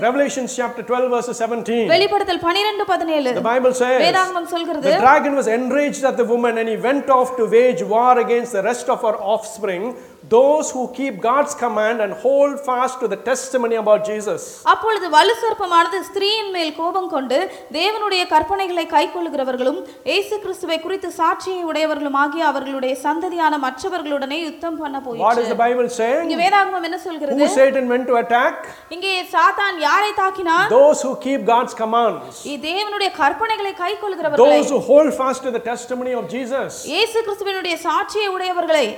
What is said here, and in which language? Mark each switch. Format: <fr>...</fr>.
<en>Revelation chapter 12 verse 17.</en> <ta>வெளிப்படுத்தல் 12:17.</ta> <en>The Bible says.</en> <ta>வேதாகமம் சொல்கிறது.</ta> <en>The dragon was enraged at the woman and he went off to wage war against the rest of her offspring. those who keep God's command and hold fast to the testimony about Jesus.</en> <ta>அப்பொழுது வலுசர்ப்பமானது ஸ்திரீயின் மேல் கோபம் கொண்டு தேவனுடைய கற்பனைகளை கைக்கொள்ளுகிறவர்களும் இயேசு கிறிஸ்துவை குறித்து சாட்சியை உடையவர்களும் ஆகிய அவர்களுடைய சந்ததியான மற்றவர்களுடனே யுத்தம் பண்ண போயிற்று.</ta> <en>What is the Bible saying?</en> <ta>இங்கே வேதாகமம் என்ன சொல்கிறது?</ta> <en>Who Satan went to attack?</en> <ta>இங்கே சாத்தான் யாரை தாக்கினான்?</ta> <en>Those who keep God's commands.</en> <ta>இ தேவனுடைய கற்பனைகளை கைக்கொள்ளுகிறவர்களை.</ta> <en>Those who hold fast to the testimony of Jesus.</en> <ta>இயேசு கிறிஸ்துவினுடைய சாட்சியை உடையவர்களை.</ta>